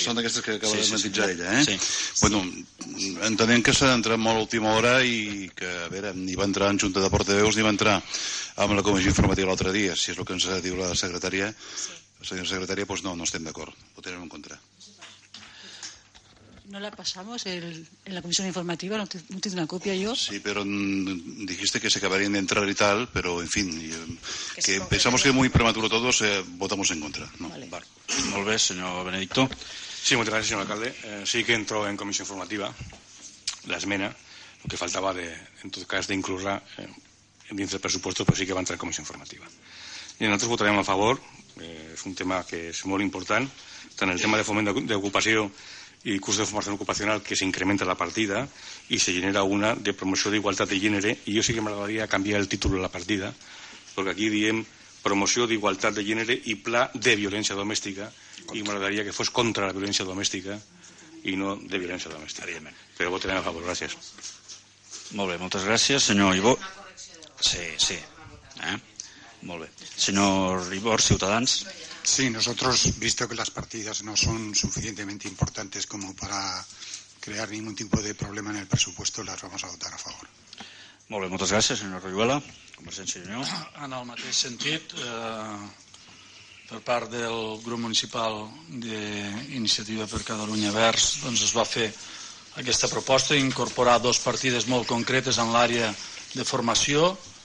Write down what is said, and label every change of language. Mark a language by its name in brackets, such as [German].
[Catalan] Són aquestes que acaba de matitzar sí. ella. Sí. Bueno, entenem que s'ha d'entrar molt a l'última hora i que, a veure, ni va entrar en Junta de Portaveus ni va entrar amb la Comissió Informativa l'altre dia. Si és el que ens diu la secretària, sí. Senyora secretària, doncs no estem d'acord. Ho tenim en contra. [Spanish] ¿No la pasamos en la comisión informativa? ¿No tiene una copia yo? Sí, pero dijiste que se acabarían de entrar y tal, pero en fin, que pensamos que es muy prematuro todo, votamos en contra. ¿No? Vale. Muy bien, señor Benedicto. Sí, muchas gracias, señor alcalde. Sí que entró en comisión informativa la esmena, lo que faltaba de, en todo caso de incluirla dentro del presupuesto, pero sí que va a entrar en comisión informativa. Y nosotros votaríamos a favor, es un tema que es muy importante, tanto en el tema de fomento de ocupación y curso de formación ocupacional que se incrementa la partida y se genera una de promoción de igualdad de género y yo sí que me agradaría cambiar el título de la partida porque aquí [Catalan] diem [Spanish] promoción de igualdad de género y pla de violencia doméstica contra. Y me agradaría que fuese contra la violencia doméstica y no de violencia doméstica. Pero voten a favor, gracias. [Catalan] Molt bé, moltes gràcies, senyor Ibó. Sí, sí. Molt bé. Senyor Ibó, Ciutadans. [Spanish] Sí, nosotros, visto que las partidas no son suficientemente importantes como para crear ningún tipo de problema en el presupuesto, las vamos a votar a favor. [Catalan] Molt bé, moltes gràcies, senyor Rayuela. Convergència i Unió. En el mateix sentit, per part del grup municipal d'Iniciativa per Catalunya Verds, doncs es va fer aquesta proposta d'incorporar dos partides molt concretes en l'àrea de formació.